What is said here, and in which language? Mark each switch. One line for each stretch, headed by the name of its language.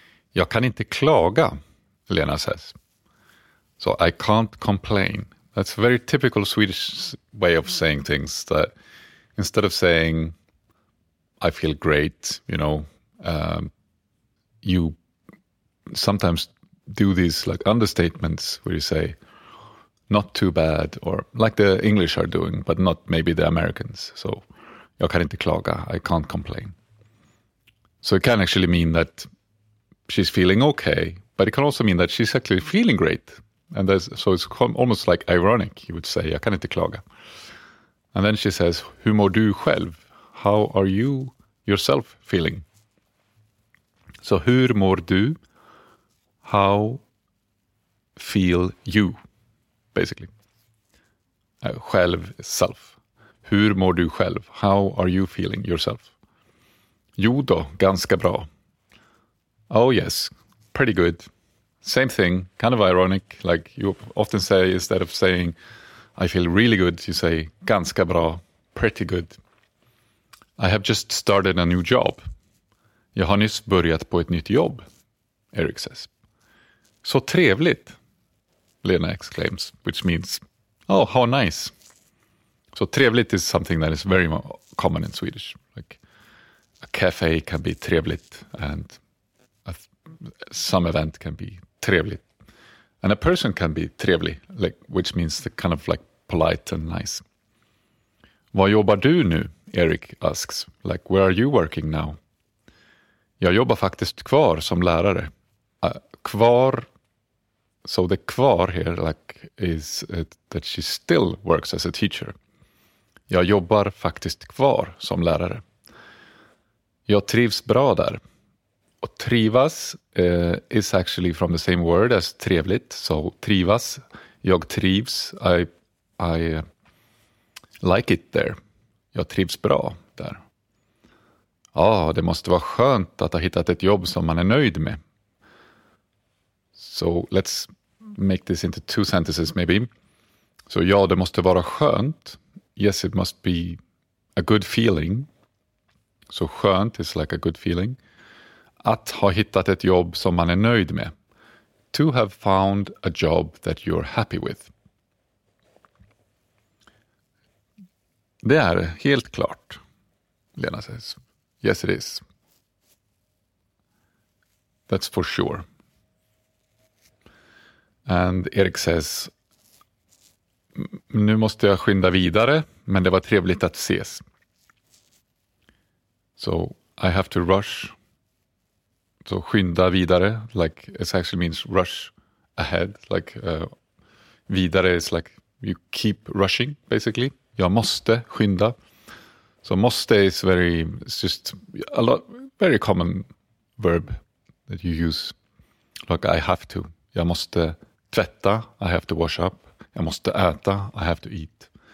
Swedish: Jag kan inte klaga,
English: Lena says. So I can't complain. That's a very typical Swedish way of saying things, that instead of saying I feel great, you know, you sometimes do these like understatements where you say not too bad, or like the English are doing, but not maybe the Americans. So
Swedish: jag kan inte klaga,
English: I can't complain. So it can actually mean that she's feeling okay, but it can also mean that she's actually feeling great. And so it's almost like ironic, you would say,
Swedish: jag kan inte klaga.
English: And then she says,
Swedish: hur mår du själv?
English: How are you yourself feeling? So,
Swedish: hur mår du?
English: How feel you, basically. Själv, self.
Swedish: Hur mår du själv?
English: How are you feeling yourself?
Swedish: Jo då, ganska bra.
English: Oh yes, pretty good. Same thing, kind of ironic. Like you often say, instead of saying, I feel really good, you say,
Swedish: ganska bra,
English: pretty good. I have just started a new job.
Swedish: Jag har nyss börjat på ett nytt jobb,
English: Eric says.
Swedish: Så trevligt,
English: Lena exclaims, which means, oh, how nice. So trevligt is something that is very common in Swedish. Like a cafe can be trevligt and some event can be trevligt. And a person can be trevlig, like, which means the kind of like polite and nice.
Swedish: Vad jobbar du nu?
English: Eric asks. Like, where are you working now?
Swedish: Jag jobbar faktiskt kvar som lärare. Kvar.
English: So the kvar here like is that she still works as a teacher.
Swedish: Jag jobbar faktiskt kvar som lärare. Jag trivs bra där. Och trivas
English: is actually from the same word as
Swedish: trevligt.
English: So trivas,
Swedish: jag trivs,
English: I like it there.
Swedish: Jag trivs bra där. Ja, ah, det måste vara skönt att ha hittat ett jobb som man är nöjd med.
English: So let's make this into two sentences maybe. So
Swedish: ja, det måste vara skönt.
English: Yes, it must be a good feeling. So skönt is like a good feeling.
Swedish: Att ha hittat ett jobb som man är nöjd med.
English: To have found a job that you're happy with.
Swedish: Det är helt klart,
English: Lena says. Yes, it is. That's for sure. And Eric says,
Swedish: nu måste jag skynda vidare, men det var trevligt att ses.
English: So, I have to rush. So,
Swedish: skynda vidare,
English: like, it actually means rush ahead. Like, vidare is like, you keep rushing, basically.
Swedish: Jag måste skynda.
English: So, måste is very, it's just a lot, very common verb that you use. Like, I have to.
Swedish: Jag måste tvätta,
English: I have to wash up.
Swedish: Jag måste äta,
English: I have to eat.